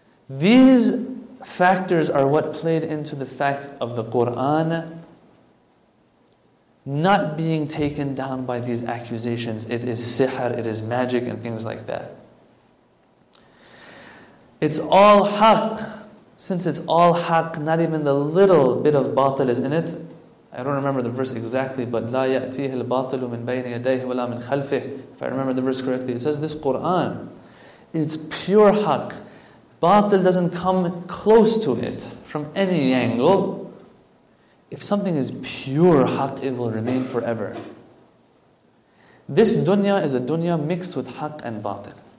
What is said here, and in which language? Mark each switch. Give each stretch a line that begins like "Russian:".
English: These factors are what played into the fact of the Quran not being taken down by these accusations. It is sihr, it is magic and things like that. It's all haqq. Since it's all haqq, not even the little bit of batil is in it. I don't remember the verse exactly, but
Arabic: لا يأتيه الباطل من بين يديه ولا من خلفه.
English: If I remember the verse correctly, it says this Quran, it's pure haqq. Batil doesn't come close to it from any angle. If something is pure haqq, it will remain forever. This dunya is a dunya mixed with haqq and batil.